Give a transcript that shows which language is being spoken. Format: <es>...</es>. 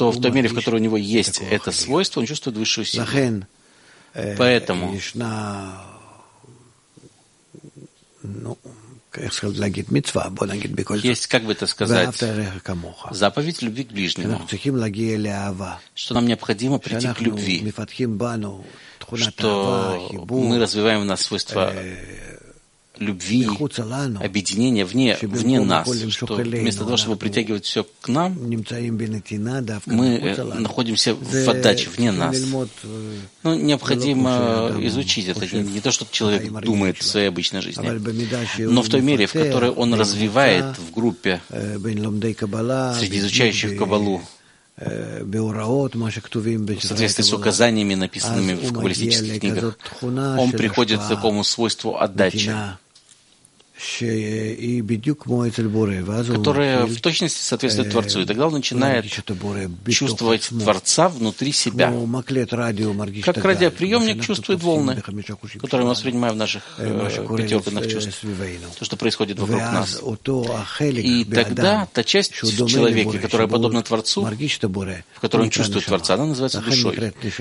<ru>то в том мире, в котором у него есть это свойство, он чувствует высшую силу.</ru> <he>לכן,</he> <ru>поэтому</ru> <he>ישנה, ну, איך צריך להגיד, מצווה, בוא נגיד בכל זאת.</he> <ru>Есть, как бы это сказать,</ru> <he>ואהבת רעך כמוך.</he> <ru>Заповедь любви к ближнему.</ru> <he>אנחנו צריכים להגיע לאהבה.</he> <ru>Что нам необходимо прийти к любви.</ru> <he>שאנחנו מפתחים בנו תכונת אהבה, חיבור.</he> <ru>Что мы развиваем в нас свойства любви, объединения вне нас, что вместо того, чтобы притягивать все к нам, мы находимся в отдаче, вне нас. Ну, необходимо изучить это. Не то, что человек думает в своей обычной жизни, но в той мере, в которой он развивает в группе среди изучающих Каббалу,</ru> <he>בהוראות, מה שכתובים בסדר,</he> <ru>с указаниями, написанными в каббалистических книгах, он приходит к такому свойству отдачи,</ru> <he>שהיא בדיוק כמו אצל בורא, ואז הוא</he> <ru>которая в точности соответствует Творцу, и тогда он начинает чувствовать Творца внутри себя.</ru> <he>כמו מקלט רדיו מרגיש את הגל.</he> <ru>Как радиоприемник чувствует волны, которые мы воспринимаем в наших пятиоргонах чувств. То, что происходит вокруг нас. И тогда та часть в человеке, которая подобна Творцу, в которой он чувствует Творца, она называется душой.</ru>